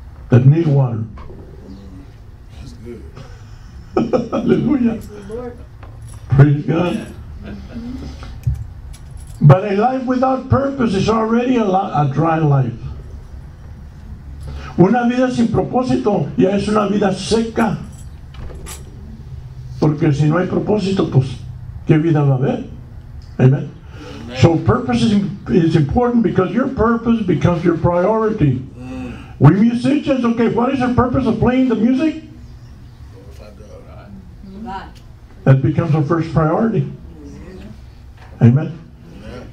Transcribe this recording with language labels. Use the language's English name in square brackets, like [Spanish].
[English] That need water. That's good. Hallelujah. Praise God. But a life without purpose is already a dry life. [Spanish] Una vida sin propósito ya es una vida seca. Porque si no hay propósito, pues, ¿qué vida va a haber? [English] Amen. So purpose is important because your purpose becomes your priority. Mm. We musicians, okay, what is the purpose of playing the music? That becomes our first priority. Amen. Amen.